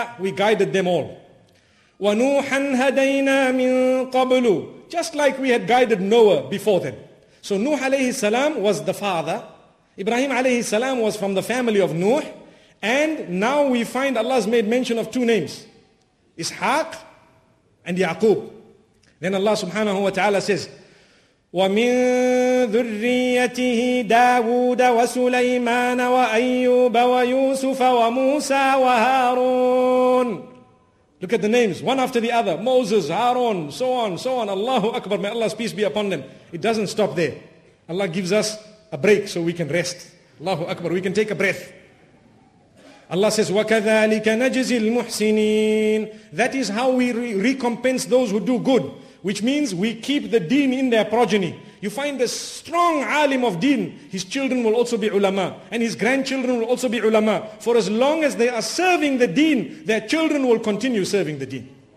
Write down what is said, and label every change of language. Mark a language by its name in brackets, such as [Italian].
[English] We guided them all. [Arabic] وَنُوحًا هَدَيْنَا مِنْ قَبْلُ. [English] Just like we had guided Noah before them. So Nuh alayhi salam was the father. Ibrahim alayhi salam was from the family of Nuh. And now we find Allah has made mention of two names. Ishaq and Yaqub. Then Allah subhanahu wa ta'ala says, [Arabic] وَمِن ذُرِّيَّتِهِ دَاوُودَ وَسُلَيْمَانَ وَأَيُّوبَ وَيُوسُفَ وَمُوسَى وَهَارُونَ. [English] Look at the names, one after the other. Moses, Harun, so on. Allahu Akbar, may Allah's peace be upon them. It doesn't stop there. Allah gives us a break so we can rest. Allahu Akbar, we can take a breath. Allah says, [Arabic] وَكَذَٰلِكَ نَجْزِي الْمُحْسِنِينَ. [English] That is how we recompense those who do good. Which means we keep the deen in their progeny. You find a strong alim of deen, his children will also be ulama. And his grandchildren will also be ulama. For as long as they are serving the deen, their children will continue serving the deen.